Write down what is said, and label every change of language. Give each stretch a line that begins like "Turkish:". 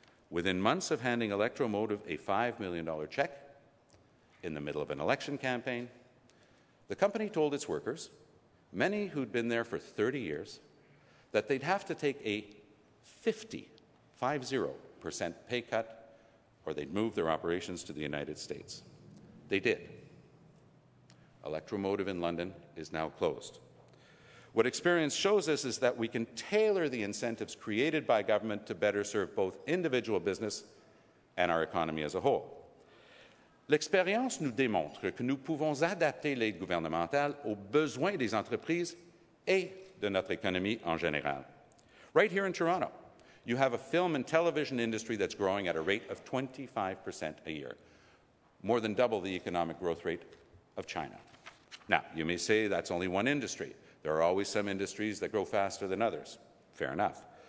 English: Within months of handing Electromotive a $5 million check in the middle of an election campaign, the company told its workers, many who'd been there for 30 years, that they'd have to take a 50% pay cut or they'd move their operations to the United States. They did. Electromotive in London is now closed. What experience shows us is that we can tailor the incentives created by government to better serve both individual business and our economy as a whole.
French: L'expérience nous démontre que nous pouvons adapter l'aide gouvernementale aux besoins des entreprises et de notre économie en général.
English: Right here in Toronto, you have a film and television industry that's growing at a rate of 25% a year, more than double the economic growth rate of China. Now, you may say that's only one industry. There are always some industries that grow faster than others. Fair enough.